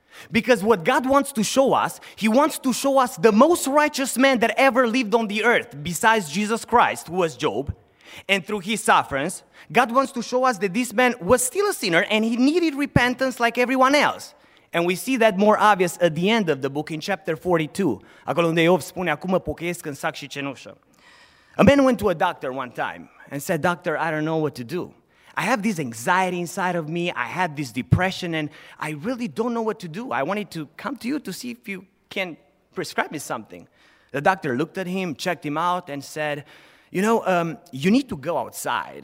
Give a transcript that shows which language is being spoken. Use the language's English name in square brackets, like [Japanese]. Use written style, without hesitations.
[English] Because what God wants to show us, He wants to show us the most righteous man that ever lived on the earth, besides Jesus Christ, who was Job. And through his sufferings, God wants to show us that this man was still a sinner and he needed repentance like everyone else. And we see that more obvious at the end of the book in chapter 42. [Romanian] Acolo unde Iov spune, acum mă pocăiesc în sac și cenușă. [English] A man went to a doctor one time and said, Doctor, I don't know what to do. I have this anxiety inside of me. I have this depression and I really don't know what to do. I wanted to come to you to see if you can prescribe me something. The doctor looked at him, checked him out and said, You know, you need to go outside.